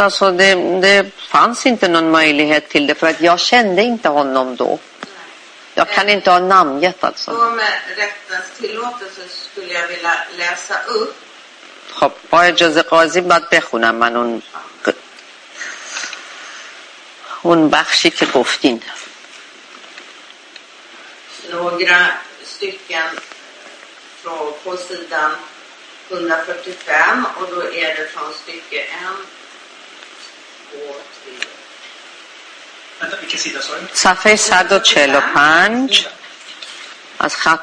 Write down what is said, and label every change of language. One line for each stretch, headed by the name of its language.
Swedish: alltså det fanns inte någon möjlighet till det, för att jag kände inte honom då. Jag kan inte ha namngett alltså. Och med rättens tillåtelse skulle jag vilja läsa upp. Hopp, på
Persian: اجازه قاضی باید بخونم من اون بخشی که گفتین.
Swedish: Några stycken på sidan 145 och då är det från stycke 1, 2, 3. Vänta, vilken sida sa du? Safi 145. Alltså khat.